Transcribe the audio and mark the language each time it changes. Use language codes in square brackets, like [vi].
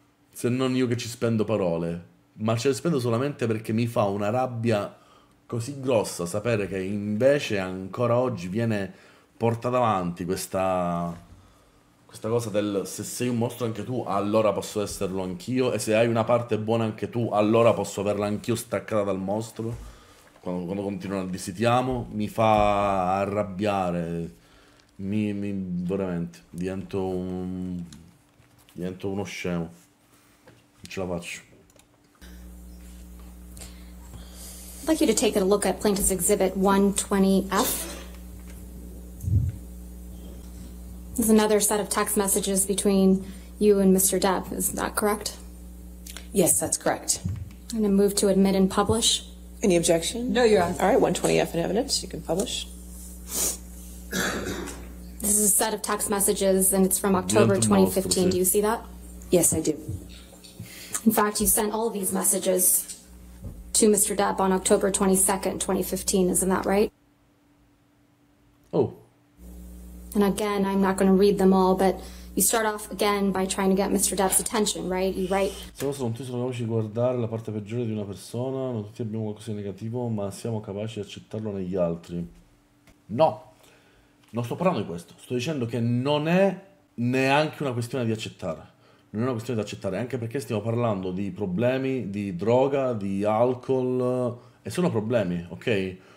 [it] se non io che ci spendo parole, ma ce le spendo solamente perché mi fa una rabbia così grossa sapere che invece ancora oggi viene portata avanti questa cosa del se sei un mostro anche tu, allora posso esserlo anch'io, e se hai una parte buona anche tu, allora posso averla anch'io staccata dal mostro. Quando continuano a dire ti amo, mi fa arrabbiare, mi veramente divento uno scemo, non ce la faccio. [en] I'd like you to take a look at plaintiff's exhibit 120F. There's another set of text messages between you and Mr. Depp, is that correct? Yes, that's correct. I'm going to move to admit and publish. Any objection? No, you're on. All right, 120F in evidence, you can publish. This is a set of text messages, and it's from October 2015. Do you see that? Yes, I do. In fact, you sent all of these messages to Mr. Depp on October 22nd, 2015, isn't that right? Oh. And again, I'm not going to read them all, but you start off again by trying to get Mr. Depp's attention, right? You write. [it] Se non tutti sono capaci di guardare la parte peggiore di una persona, non tutti abbiamo qualcosa di negativo, ma siamo capaci di accettarlo negli altri. No, non sto parlando di questo. Sto dicendo che non è neanche una questione di accettare. non è una questione da accettare, anche perché stiamo parlando di problemi di droga, di alcol, e sono problemi, ok?